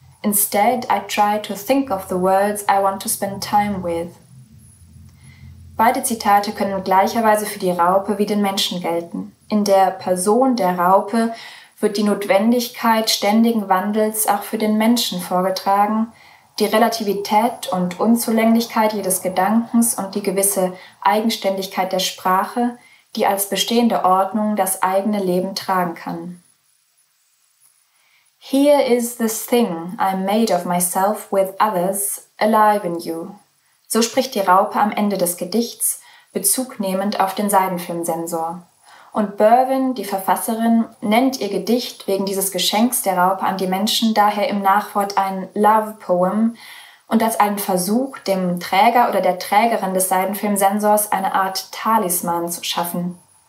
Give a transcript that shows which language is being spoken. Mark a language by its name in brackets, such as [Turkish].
[English] Instead, I try to think of the words I want to spend time with. [German] Beide Zitate können gleicherweise für die Raupe wie den Menschen gelten. In der Person der Raupe wird die Notwendigkeit ständigen Wandels auch für den Menschen vorgetragen, die Relativität und Unzulänglichkeit jedes Gedankens und die gewisse Eigenständigkeit der Sprache, die als bestehende Ordnung das eigene Leben tragen kann. [English] Here is this thing I made of myself with others alive in you. [German] So spricht die Raupe am Ende des Gedichts, bezugnehmend auf den Seidenfilmsensor. Und Berwyn, die Verfasserin, nennt ihr Gedicht wegen dieses Geschenks der Raupe an die Menschen daher im Nachwort ein Love Poem und als einen Versuch, dem Träger oder der Trägerin des Seidenfilmsensors eine Art Talisman zu schaffen.